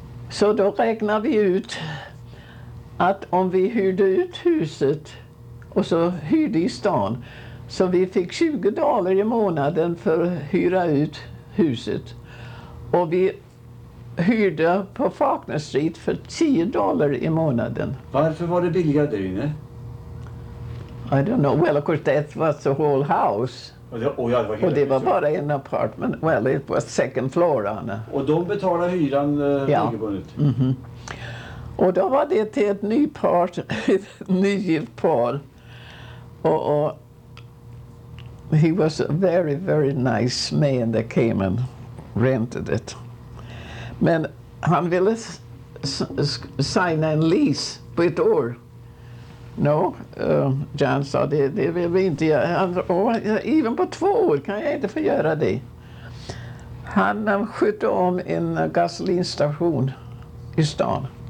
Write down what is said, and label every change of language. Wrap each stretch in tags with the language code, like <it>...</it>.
<sv>Så då räknade vi ut att om vi hyrde ut huset och så hyrde i stan, så vi fick $20 i månaden för att hyra ut huset. Och vi hyrde på Faulkner Street för $10 i månaden. Varför var det billigare där inne?</sv> <en>I don't know. Well, of course, that was the whole house.</en> <sv>Och det var bara en apartment.</sv> <en>Well, it was second floor, Anna.</en> <sv>Och de betalade hyran regelbundet. Mm-hmm. Och då var det till ett ny par, ett nygift par.</sv> <en>Och he was a very, very nice man that came and rented it.</en> <sv>Men han ville signa en lease på ett år. No, Jan sa, det vill vi inte göra. Även på 2 år kan jag inte få göra det. Han skötte om en gasolinstation i stan.</sv>